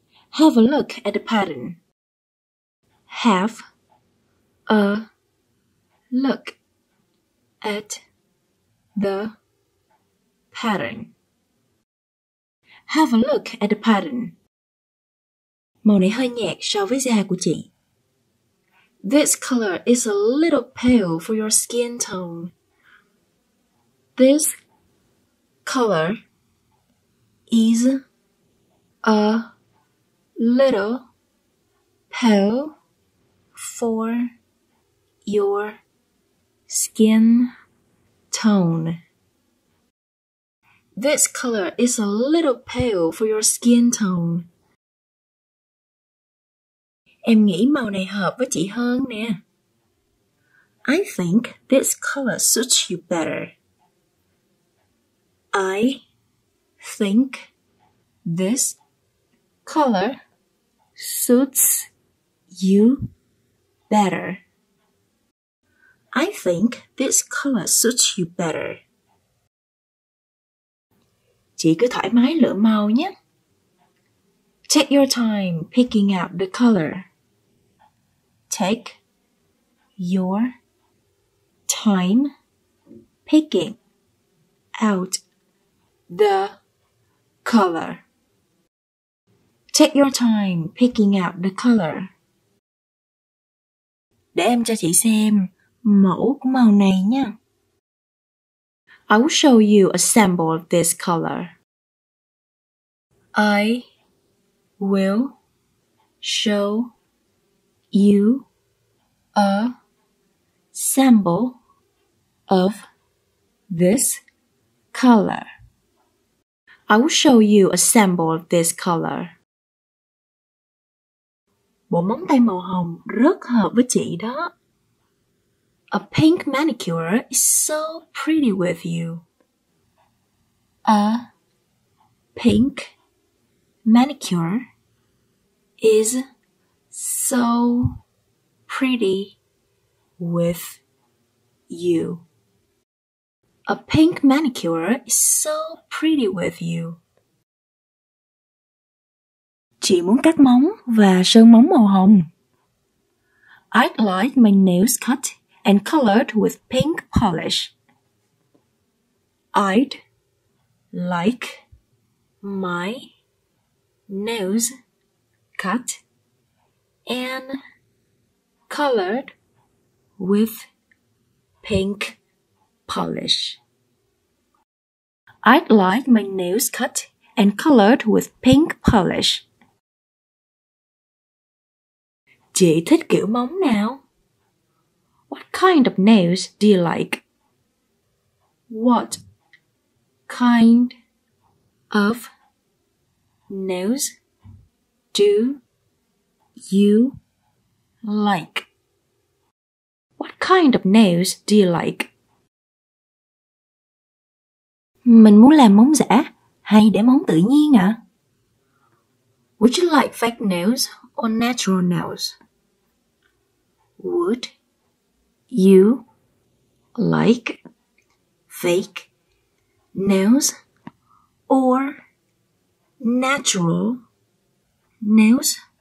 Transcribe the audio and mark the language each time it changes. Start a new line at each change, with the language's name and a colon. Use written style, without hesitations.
English: Have a look at the pattern. Have a look at the pattern. Have a look at the pattern.
Vietnamese: Màu này hơi nhạt so với da của chị.
English: This color is a little pale for your skin tone. This color is a little pale for your skin tone. This color is a little pale for your skin tone.
Vietnamese: Em nghĩ màu này hợp với chị hơn nè.
English: I think this color suits you better. I think this color suits you better. I think this color suits you better.
Vietnamese: Chị cứ thoải mái lựa màu nhé.
English: Take your time picking out the color. Take your time picking out the color. Take your time picking out the color.
Vietnamese: Để em cho chị xem mẫu của màu này nha.
English: I will show you a sample of this color. I will show you a sample of this color. I will show you a sample of this color.
Vietnamese: Bộ móng tay màu hồng rất hợp với chị đó.
English: A pink manicure is so pretty with you. A pink manicure is so pretty with you. A pink manicure is so pretty with you.
Vietnamese: Chị muốn cắt móng và sơn móng màu hồng.
English: I'd like my nails cut and colored with pink polish. I'd like my nails cut and colored with pink polish. I'd like my nails cut and colored with pink polish.
Vietnamese: Chị thích kiểu móng nào?
English: What kind of nails do you like? What kind of nails do you like? What kind of nails do you like?
Vietnamese: Mình muốn làm móng giả hay để móng tự nhiên ạ?
English: Would you like fake nails or natural nails? Would you like fake nails or natural nails?